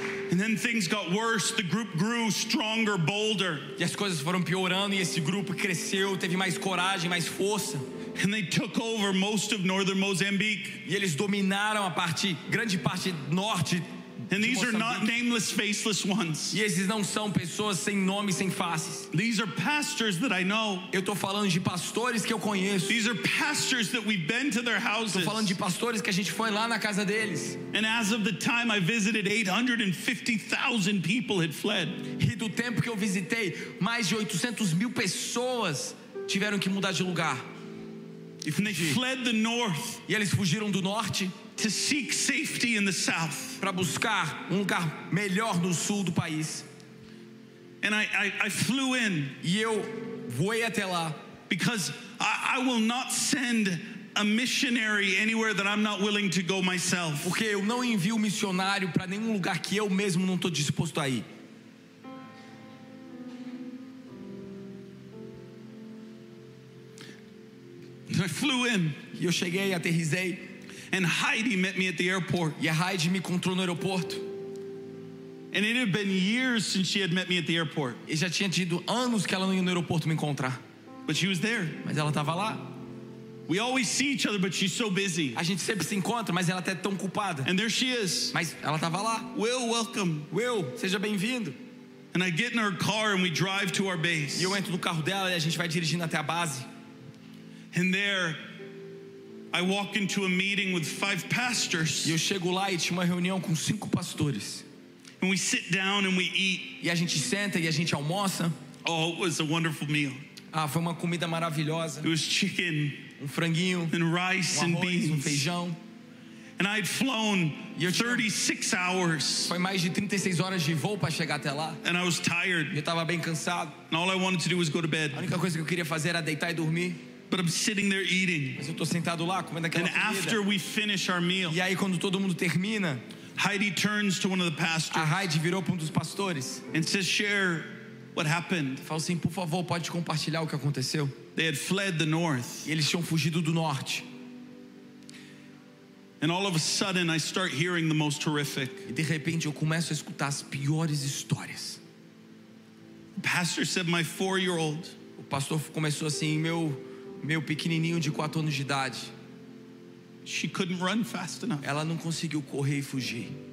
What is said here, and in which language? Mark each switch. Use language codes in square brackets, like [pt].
[en] And then things got worse. The group grew stronger, bolder. [pt] E as coisas foram piorando e esse grupo cresceu, teve mais coragem, mais força. [en] And they took over most of northern Mozambique. [pt] E eles dominaram a parte, grande parte norte. [en] And these are not nameless, faceless ones. [pt] E esses não são pessoas sem nome, sem faces. [en] These are pastors that I know. [pt] Eu tô falando de pastores que eu conheço. [en] These are pastors that we've been to their houses. [pt] Tô falando de pastores que a gente foi lá na casa deles. [en] And as of the time I visited, 850,000 people had fled. [pt] E do tempo que eu visitei, mais de 800 mil pessoas tiveram que mudar de lugar. [en] If they fled the north, [pt] e eles fugiram do norte, [en] to seek safety in the south, [pt] para buscar um lugar melhor no sul do país. [en] And I flew in, [pt] e eu voei até lá, [en] because I will not send a missionary anywhere that I'm not willing to go myself. [pt] Porque eu não envio missionário para nenhum lugar que eu mesmo não estou disposto a ir. [en] I flew in. [pt] Eu cheguei, aterrisei. [en] And Heidi met me at the airport. [pt] E a Heidi me encontrou no aeroporto. [en] And it had been years since she had met me at the airport. [pt] E já tinha tido anos que ela não ia no aeroporto me encontrar. [en] But she was there. [pt] Mas ela estava lá. [en] We always see each other, but she's so busy. [pt] A gente sempre se encontra, mas ela até tão ocupada. [en] And there she is. [pt] Mas ela estava lá. [en] Will, welcome. [pt] Will, seja bem-vindo. [en] And I get in her car and we drive to our base. [pt] E eu entro no carro dela e a gente vai dirigindo até a base. [en] And there, I walk into a meeting with five pastors. [pt] E eu chego lá e tinha uma reunião com cinco pastores. [en] And we sit down and we eat. [pt] E a gente senta e a gente almoça. [en] Oh, it was a wonderful meal. [pt] Ah, foi uma comida maravilhosa. [en] It was chicken. [pt] Um franguinho. [en] And rice [pt] um arroz, [en] and beans. [pt] Um feijão. [en] And I had flown 36 hours. [pt] Foi mais de 36 horas de voo para chegar até lá. [en] And I was tired. [pt] Eu estava bem cansado. [en] And all I wanted to do was go to bed. [pt] A única coisa que eu queria fazer era deitar e dormir. [en] But I'm sitting there eating. [pt] Mas eu tô sentado lá comendo aquela comida. [en] And after we finish our meal, [pt] e aí quando todo mundo termina, [en] Heidi turns to one of the pastors. [pt] A Heidi virou para um dos pastores. [en] And says, "Share what happened." [pt] Fala assim, por favor, pode compartilhar o que aconteceu? [en] They had fled the north. [pt] E eles tinham fugido do norte. [en] And all of a sudden, I start hearing the most horrific. [pt] E de repente eu começo a escutar as piores histórias. [en] The pastor said, "My 4-year-old." [pt] O pastor começou assim, meu pequenininho de 4 anos de idade. [en] She couldn't run fast enough. [pt] Ela não conseguiu correr e fugir.